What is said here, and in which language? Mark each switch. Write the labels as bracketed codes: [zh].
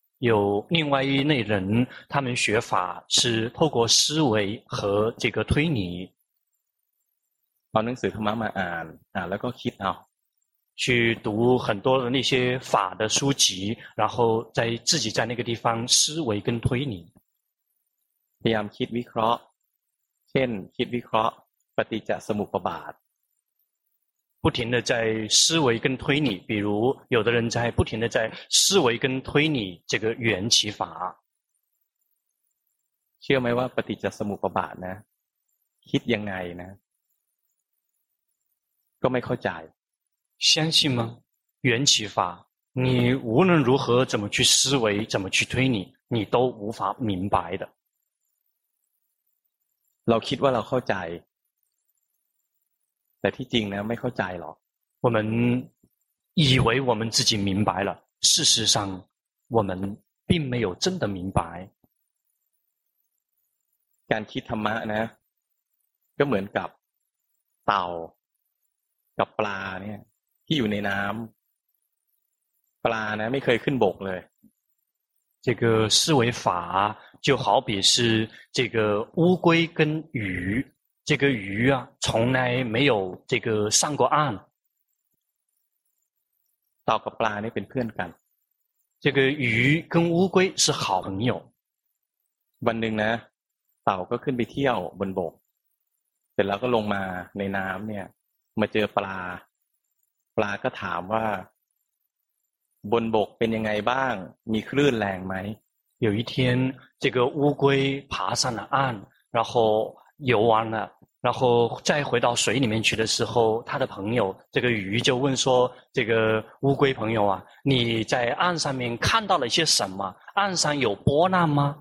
[zh] 有另外一类人他们学法是透过思维和这个推理 [th] เอาหนังสือธรรมะมาอ่านแล้วก็คิดเอา [zh] 去读很多的那些法的书籍然后在自己在那个地方思维跟推理 [th] พยายามคิดวิเคราะห์เช่นคิดวิเคราะห์ปฏิจจสมุปบาท [zh] 不停的在思维跟推理，比如有的人在不停的在思维跟推理这个缘起法。 [th] เชื่อไหมว่าปฏิจจสมุปบาทนะคิดยังไงนะก็ไม่เข้าใจ [zh] 相信吗缘起法你无论如何怎么去思维怎么去推理你都无法明白的 [th] เราคิดว่าเราเข้าใจแต่ที่จริงนะไม่เข้าใจหรอก [zh] 我们以为我们自己明白了事实上我们并没有真的明白 [th] การคิดธรรมะนะก็เหมือนกับเต่ากับปลาเนี่ยที่อยู่ในน้ำปลานะไม่เคยขึ้นบกเลย [zh] 这个思维法就好比是这个乌龟跟鱼这个鱼啊从来没有这个上过岸。 [th] ต่อกับปลานี่เป็นเพื่อนกัน [zh] 这个鱼跟乌龟是好朋友。 [th] วันหนึ่งนะเต่าก็ขึ้นไปเที่ยวบนบกเสร็จแล้วก็ลงมาในน้ำเนี่ยมาเจอปลาปลาก็ถามว่าบนบกเป็นยังไงบ้างมีคลื่นแรงไหม [zh] 有一天这个乌龟爬上了岸然后游完了然后再回到水里面去的时候他的朋友这个鱼就问说这个乌龟朋友啊你在岸上面看到了些什么岸上有波浪吗